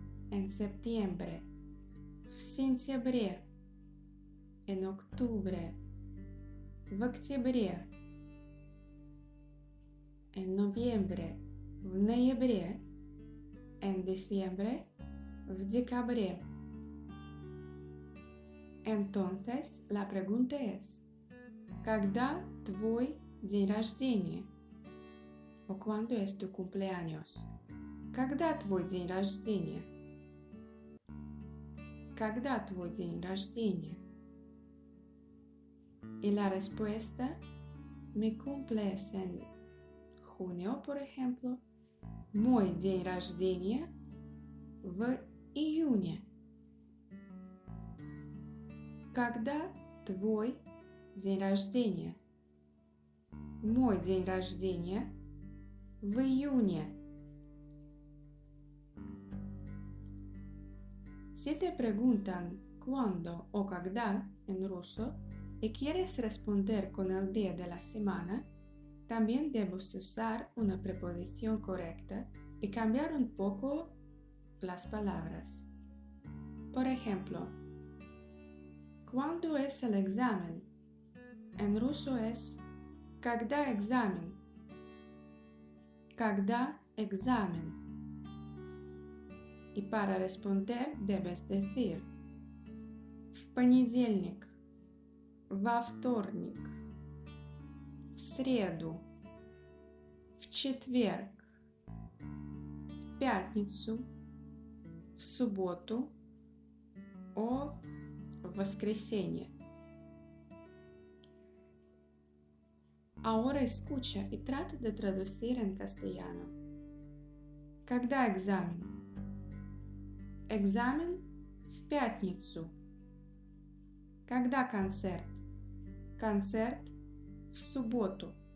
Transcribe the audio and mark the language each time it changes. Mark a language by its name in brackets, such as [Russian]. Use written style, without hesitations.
[Spanish] en septiembre, [Russian] в сентябре, [Spanish] en octubre, [Russian] в октябре, [Spanish] en noviembre, [Russian] в ноябре, [Spanish] en diciembre, [Russian] в декабре. [Spanish] Entonces, la pregunta es, [Russian] ¿когда твой день рождения? [Spanish] O ¿cuándo es tu cumpleaños? [Russian] ¿Когда твой день рождения? ¿Когда твой день рождения? [Spanish] Y la respuesta, mi cumple es en junio, por ejemplo. [Russian] Мой день рождения в июне. Когда твой день рождения? Мой день рождения в июне. [Spanish] Si te preguntan cuándo o когда en ruso y quieres responder con el día de la semana, también debes usar una preposición correcta y cambiar un poco las palabras. Por ejemplo, ¿cuándo es el examen? En ruso es [Russian] когда экзамен. Когда экзамен. [Spanish] Y para responder debes decir [Russian] в понедельник, во вторник, в среду, в четверг, в пятницу, в субботу, о, в воскресенье. [Spanish] Ahora escucha y trata de traducir en castellano. [Russian] Когда экзамен? Экзамен в пятницу. Когда концерт? Концерт в субботу.